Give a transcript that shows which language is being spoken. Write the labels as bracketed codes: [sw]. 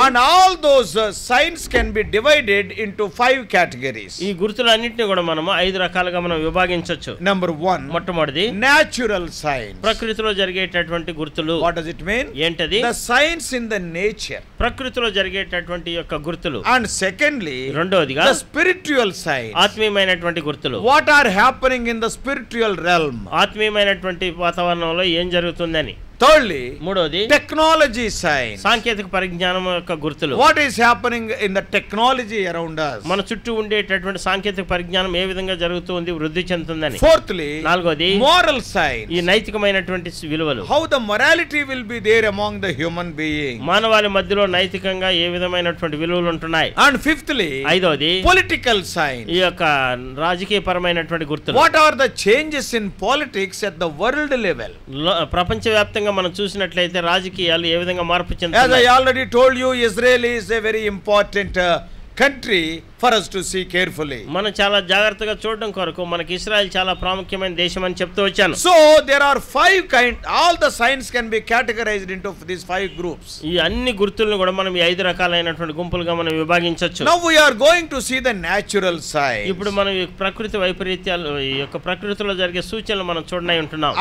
[en] And all those signs can be divided into 5 categories. [te] ఈ గుర్తుల అన్నిటిని కూడా మనం 5 రకాలుగా మనం విభాగించొచ్చు. [en] number 1 [te] మొట్టమొదటిది [en] natural science [te] ప్రకృతిలో జరిగేటటువంటి గుర్తులు. [en] What does it mean? [te] ఏంటది? [en] The signs in the nature. [te] ప్రకృతిలో జరిగేటటువంటి యొక్క గుర్తులు. [en] And secondly [te] రెండోదిగా [en] the spiritual signs [te] ఆత్మీయమైనటువంటి గుర్తులు. [en] What are happening in the spiritual realm? [te] ఆత్మీయమైనటువంటి వాతావరణంలో ఏం జరుగుతుందని. [en] Thirdly, [te] మూడోది [en] technology science, [te] సాంకేతిక పరిజ్ఞానం యొక్క గుర్తులు. [en] what is happening in the technology around us, [te] మన చుట్టూ ఉండేటటువంటి సాంకేతిక పరిజ్ఞానం ఏ విధంగా జరుగుతుంది, వృద్ధి చెందుతుందని. [en] fourthly, [te] నాలుగోది [en] moral science, [te] ఈ నైతికమైనటువంటి విలువలు. [en] how the morality will be there among the human being, [te] మానవాళి మధ్యలో నైతికంగా ఏ విధమైనటువంటి విలువలు ఉంటున్నాయి. [en] and fifthly, [te] ఐదోది [en] political science, [te] ఈ యొక్క రాజకీయ పరమైనటువంటి గుర్తులు. [en] what are the changes in politics at the world level, [te] ప్రపంచ వ్యాప్తంగా మనం చూసినట్లయితే రాజకీయాలు ఏ విధంగా మార్పు చెందుతున్నాయి. [en] As I already told you, Israel is a very important country for us to see carefully. [te] మనం చాలా జాగ్రత్తగా చూడడం కొరకు మనకి ఇజ్రాయెల్ చాలా ప్రాముఖ్యమైన దేశం అని చెప్తూ వచ్చాను. [en] So there are five kind, all the signs can be categorized into these five groups. [te] ఈ అన్ని గుర్తులను కూడా మనం ఈ ఐదు రకాలైనటువంటి గుంపులుగా మనం విభజించవచ్చు. [en] Now we are going to see the natural signs. [te] ఇప్పుడు మనం ఈ ప్రకృతి వైపరీత్యాలు, ఈ యొక్క ప్రకృతిలో జరిగే సూచనలు మనం చూడనై ఉంటున్నాం.